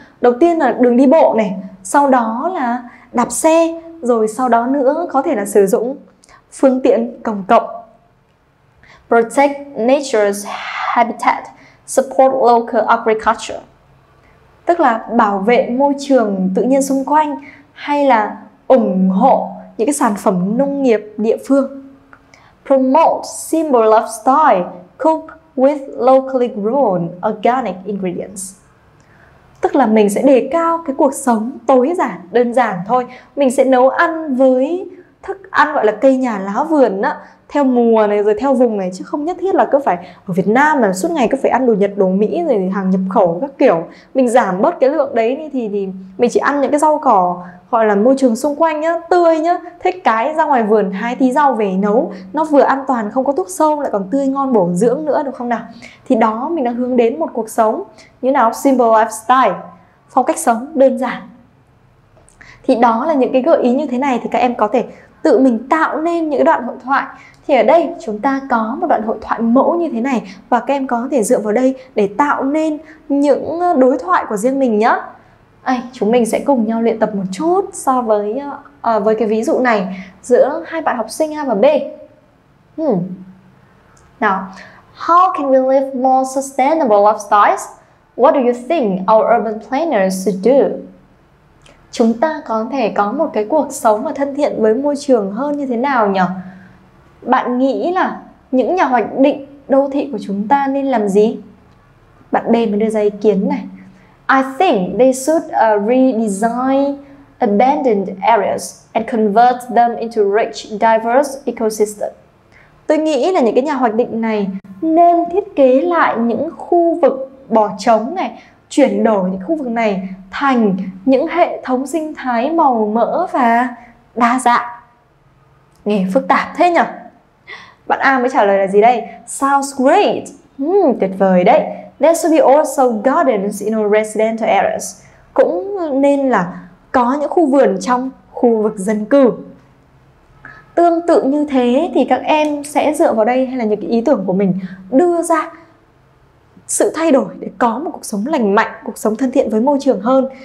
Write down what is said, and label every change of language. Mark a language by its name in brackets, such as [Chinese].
[Vietnamese] Đầu tiên là đường đi bộ này, sau đó là đạp xe, rồi sau đó nữa có thể là sử dụng phương tiện công cộng. [English] Protect nature's habitat, support local agriculture. [Vietnamese] Tức là bảo vệ môi trường tự nhiên xung quanh, hay là ủng hộ những cái sản phẩm nông nghiệp địa phương. [English] Promote simple lifestyle, cook with locally grown organic ingredients. [Vietnamese] Tức là mình sẽ đề cao cái cuộc sống tối giản, đơn giản thôi. Mình sẽ nấu ăn với thức ăn gọi là cây nhà lá vườn á, theo mùa này rồi theo vùng này, chứ không nhất thiết là cứ phải ở Việt Nam mà suốt ngày cứ phải ăn đồ Nhật, đồ Mỹ rồi hàng nhập khẩu các kiểu. Mình giảm bớt cái lượng đấy đi thì mình chỉ ăn những cái rau cỏ gọi là môi trường xung quanh nhá, tươi nhá. Thế cái ra ngoài vườn hái tí rau về nấu, nó vừa an toàn, không có thuốc sâu, lại còn tươi ngon bổ dưỡng nữa, được không nào? Thì đó, mình đang hướng đến một cuộc sống như nào? [English] Simple lifestyle, [Vietnamese] phong cách sống đơn giản. Thì đó là những cái gợi ý như thế này, thì các em có thể tự mình tạo nên những đoạn hội thoại. Thì ở đây chúng ta có một đoạn hội thoại mẫu như thế này, và các em có thể dựa vào đây để tạo nên những đối thoại của riêng mình nhé. Chúng mình sẽ cùng nhau luyện tập một chút so với cái ví dụ này giữa hai bạn học sinh A và B. [English] Now, how can we live more sustainable lifestyles? What do you think our urban planners should do? [Vietnamese] Chúng ta có thể có một cái cuộc sống mà thân thiện với môi trường hơn như thế nào nhỉ? Bạn nghĩ là những nhà hoạch định đô thị của chúng ta nên làm gì? Bạn B mới đưa ra ý kiến này. [English] I think they should redesign abandoned areas and convert them into rich, diverse ecosystems. [Vietnamese] Tôi nghĩ là những cái nhà hoạch định này nên thiết kế lại những khu vực bỏ trống này, chuyển đổi những khu vực này thành những hệ thống sinh thái màu mỡ và đa dạng. Nghe phức tạp thế nhỉ? Bạn A mới trả lời là gì đây? [English] Sounds great. [Vietnamese] Tuyệt vời đấy. [English] There should be also gardens in our residential areas. [Vietnamese] Cũng nên là có những khu vườn trong khu vực dân cư. Tương tự như thế thì các em sẽ dựa vào đây, hay là những cái ý tưởng của mình, đưa ra sự thay đổi để có một cuộc sống lành mạnh, cuộc sống thân thiện với môi trường hơn.